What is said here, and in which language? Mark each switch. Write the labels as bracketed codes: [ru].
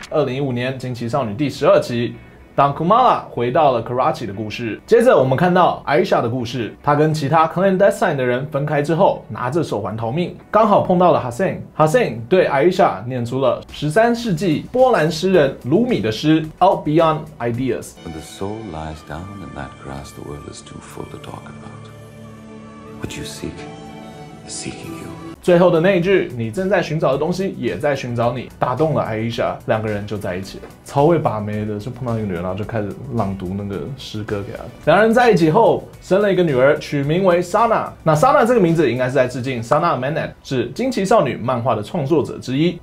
[zh] 2015年《惊奇少女》第12集，当 Kamala 回到了 Karachi 的故事。接着我们看到 Aisha 的故事，她跟其他 clandestine 的人分开之后，拿着手环逃命，刚好碰到了 Hussein。 Hussein 对 Aisha 念出了13世纪波兰诗人卢米的诗 Out Beyond Ideas。 [en] When the soul lies down in that grass, the world is too full to talk about. What you seek is seeking you。 [zh] 最后的那一句，你正在寻找的东西也在寻找你，打动了 Aisha， 两个人就在一起了。超会把妹的，就碰到一个女人，然后就开始朗读那个诗歌给她。两人在一起后生了一个女儿，取名为 Sana。那 Sana 这个名字应该是在致敬 Sana Manet， 是惊奇少女漫画的创作者之一。